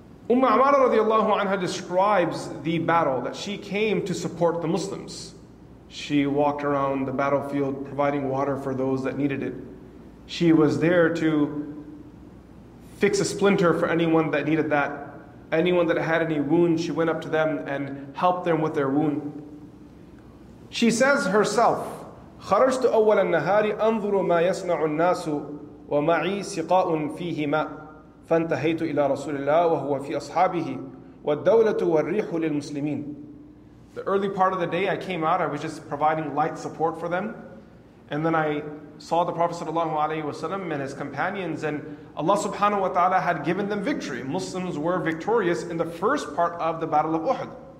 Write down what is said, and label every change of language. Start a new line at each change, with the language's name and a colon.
English: Umar radiallahu anha describes the battle, that she came to support the Muslims. She walked around the battlefield providing water for those that needed it. She was there to fix a splinter for anyone that needed that. Anyone that had any wound, she went up to them and helped them with their wound. She says herself,
Arabic: خَرَجْتُ أَوَّلَ النَّهَارِ أَنْظُرُ مَا يَصْنَعُ النَّاسُ وَمَعِي سِقَاءٌ فِيهِ مَا فَانْتَهَيْتُ إِلَىٰ رَسُولِ اللَّهِ وَهُوَ فِي أَصْحَابِهِ وَالدَّوْلَةُ وَالرِّيحُ لِلْمُسْلِمِينَ.
English: The early part of the day I came out, I was just providing light support for them. And then I saw the Prophet sallallahu alayhi wa sallam and his companions, and Allah subhanahu wa ta'ala had given them victory. Muslims were victorious in the first part of the Battle of Uhud.